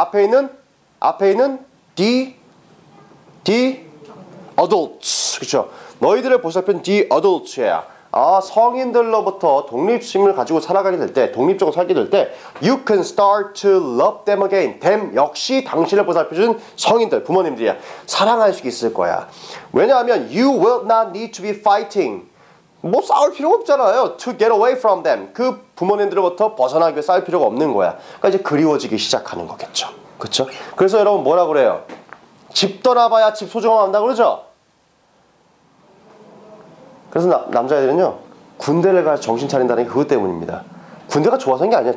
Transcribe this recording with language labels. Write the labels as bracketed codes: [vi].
[ko] 앞에 있는 the adults 그쵸? 너희들을 보살핀 the adults야. 아, 성인들로부터 독립심을 가지고 살아가게 될 때, 독립적으로 살게 될 때 [en] you can start to love them again. [ko] them 역시 당신을 보살펴준 성인들, 부모님들이야. 사랑할 수 있을 거야. 왜냐하면 [en] you will not need to be fighting. [ko] 뭐 싸울 필요가 없잖아요. [en] to get away from them. [ko] 그 부모님들로부터 벗어나기 위해 싸울 필요가 없는 거야. 그러니까 이제 그리워지기 시작하는 거겠죠. 그렇죠? 그래서 여러분 뭐라고 그래요? 집 떠나봐야 집 소중함한다고 그러죠? 그래서 남자애들은요 군대를 가서 정신 차린다는 게 그것 때문입니다. 군대가 좋아서인 게 아니야.